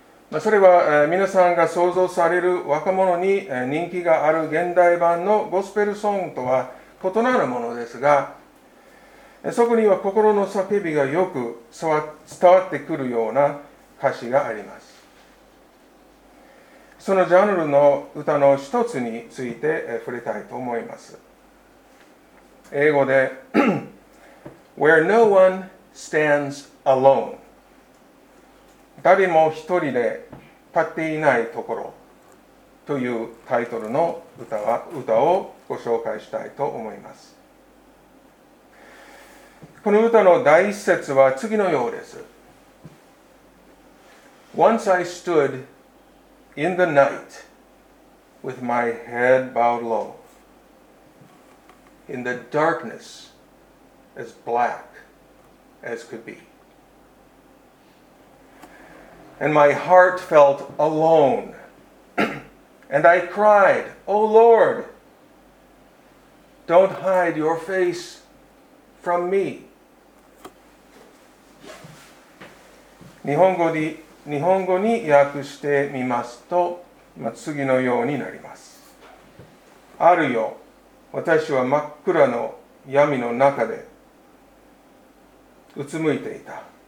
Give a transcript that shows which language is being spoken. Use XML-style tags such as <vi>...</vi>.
<ja>まあ、それは、皆さんが想像される若者に、人気がある現代版のゴスペルソングとは異なるものですが、そこには心の叫びがよく伝わってくるような歌詞があります。そのジャンルの歌の一つについて触れたいと思います。英語で、Where no one stands alone。誰も一人で立っていないところというタイトルの歌をご紹介したいと思います。この歌の第一節は次のようです。</ja> <en>Once I stoodIn the night, with my head bowed low, in the darkness as black as could be. And my heart felt alone, and I cried, O Lord, don't hide your face from me.</en> <ja>日本語に訳してみますと、まあ、次のようになります。あるよ、私は真っ暗の闇の中でうつむいていた。</ja>